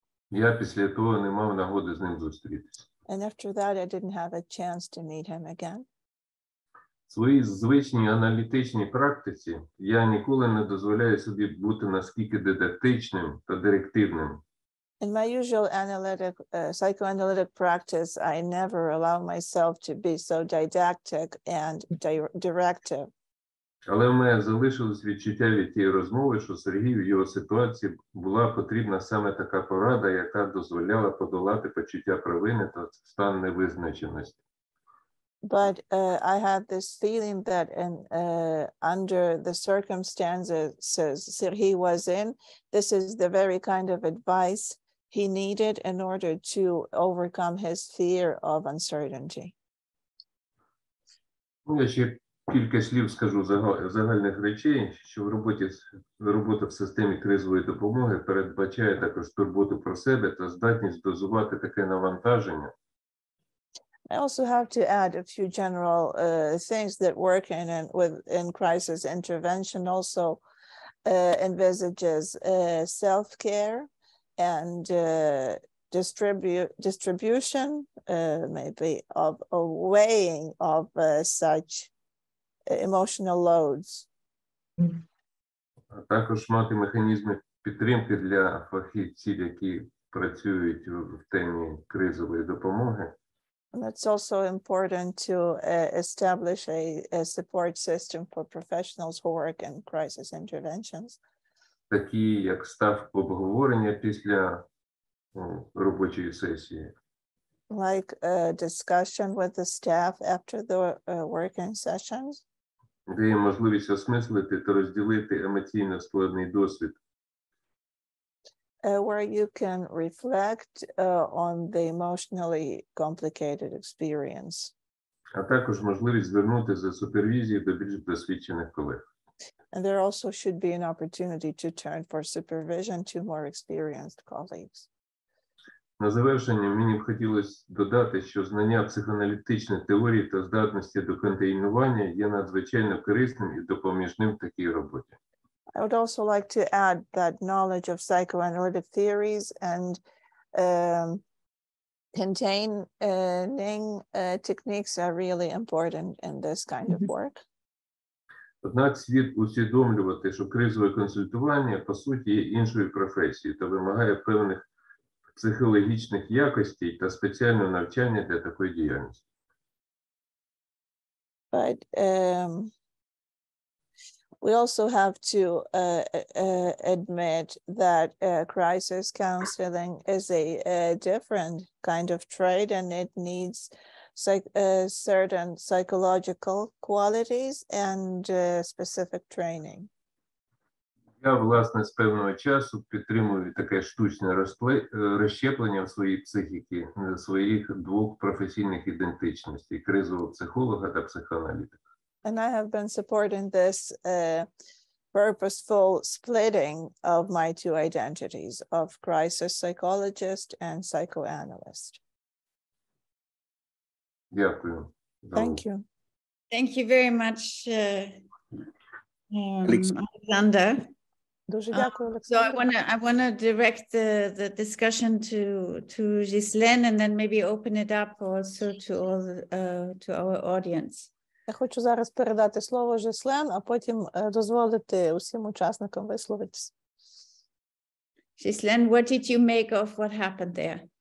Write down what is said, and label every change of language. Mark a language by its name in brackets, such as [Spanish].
[Ukrainian] Я після того не мав нагоди з ним зустрітись. [English] And after that, I didn't have a chance to meet him again. [Ukrainian] Свої звичні аналітичні практиці я ніколи не дозволяю собі бути наскільки дидактичним та директивним. [English] In my usual psychoanalytic practice, I never allow myself to be so didactic and directive. [Ukrainian] Але в мене залишилось відчуття від тієї розмови, що Сергію в його ситуації була потрібна саме така порада, яка дозволяла подолати почуття провини та стан невизначеності. [English] But I had this feeling that under the circumstances Sergei was in, this is the very kind of advice he needed in order to overcome his fear of uncertainty. [Ukrainian] Я ще кілька слів скажу загальних речей, що робота в системі кризової допомоги передбачає також турботу про себе та здатність дозувати таке навантаження. [English] I also have to add a few general things that work in crisis intervention also envisages self-care and distribution, maybe, of a weighing of such emotional loads. [Ukrainian] Також мати механізми підтримки для фахівців, які працюють в темі кризової допомоги. [English] And it's also important to establish a support system for professionals who work in crisis interventions. [Ukrainian] Такі як ставки обговорення після робочої сесії. [English] Like a discussion with the staff after the working sessions. [Ukrainian] Де є можливість осмислити та розділити емоційно складний досвід. [English] Where you can reflect on the emotionally complicated experience. [Ukrainian] А також можливість звернутися за супервізією до більш досвідчених колег. [English] And there also should be an opportunity to turn for supervision to more experienced colleagues. [Ukrainian] На завершення мені б хотілося додати, що знання психоаналітичної теорії та здатності до контейнування є надзвичайно корисним і допоміжним в такій роботі. [English] I would also like to add that knowledge of psychoanalytic theories and containing techniques are really important in this kind of work. [Ukrainian] Однак слід усвідомлювати, що кризове консультування по суті є іншою професією та вимагає певних психологічних якостей та спеціального навчання для такої діяльності. [English] But we also have to admit that crisis counseling is a different kind of trade, and it needs certain psychological qualities and specific training. [Ukrainian] Я, власне, з певного часу підтримую таке штучне розщеплення в своїй психіці, своїх двох професійних ідентичностей – кризового психолога та психоаналітика. [English] And I have been supporting this purposeful splitting of my two identities, of crisis psychologist and psychoanalyst. [Ukrainian] Дякую. [English] Thank you. Thank you very much, Alexander. [Ukrainian] Дуже дякую, Олександр. [English] So I want to direct the discussion to Ghislaine, and then maybe open it up also to all to our audience. [Ukrainian] Я хочу зараз передати слово Ghislaine, а потім дозволити усім учасникам висловитись. [English] Ghislaine, what did you make of what happened there?